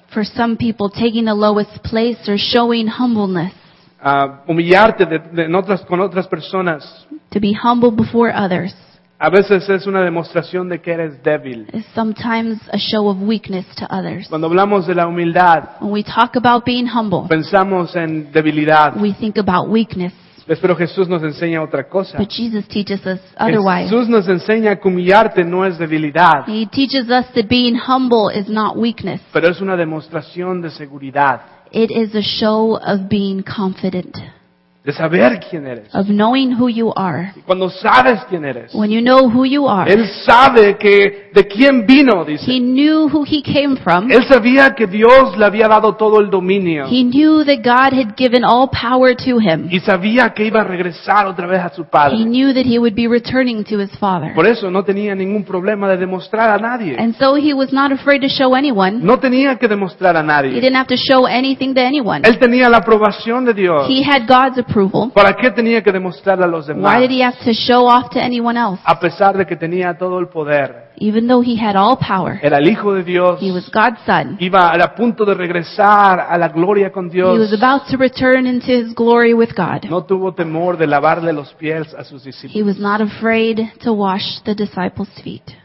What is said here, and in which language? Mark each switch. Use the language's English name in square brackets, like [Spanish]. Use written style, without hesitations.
[English] For some people, taking the lowest place or showing humbleness. [Spanish] Humillarte con otras personas. [English] To be humble before others. [Spanish] A veces es una demostración de que eres débil. [English] It's sometimes a show of weakness to others. [Spanish] Cuando hablamos de la humildad. [English] When we talk about being humble. [Spanish] Pensamos en debilidad. [English] We think about weakness. [Spanish] Pero Jesús nos enseña otra cosa. [English] But Jesus teaches us otherwise. [Spanish] Jesús nos enseña que humillarte no es debilidad. [English] He teaches us that being humble is not weakness. [Spanish] Pero es una demostración de seguridad. [English] It is a show of being confident. [Spanish] De saber quién eres. [English] Of knowing who you are. [Spanish] Cuando sabes quién eres. [English] When you know who you are. [Spanish] Él sabe que de quién vino, dice. [English] He knew who he came from. [Spanish] Él sabía que Dios le había dado todo el dominio. [English] He knew that God had given all power to him. [Spanish] Y sabía que iba a regresar otra vez a su padre. [English] He knew that he would be returning to his father. [Spanish] Por eso no tenía ningún problema de demostrar a nadie. [English] And so he was not afraid to show anyone. [Spanish] No tenía que demostrar a nadie. [English] He didn't have to show anything to anyone. [Spanish] Él tenía la aprobación de Dios. [English] He had God's approval. [Spanish] ¿Para qué tenía que demostrarle a los demás? [English] Why did he have to show off to anyone else? [Spanish] A pesar de que tenía todo el poder. [English] Even though he had all power. [Spanish] Era el hijo de Dios. [English] He was God's son. [Spanish] Iba a punto de regresar a la gloria con Dios. [English] He was about to return into his glory with God. [Spanish] No tuvo temor de lavarle los pies a sus discípulos. [English] He was not afraid to wash the disciples' feet.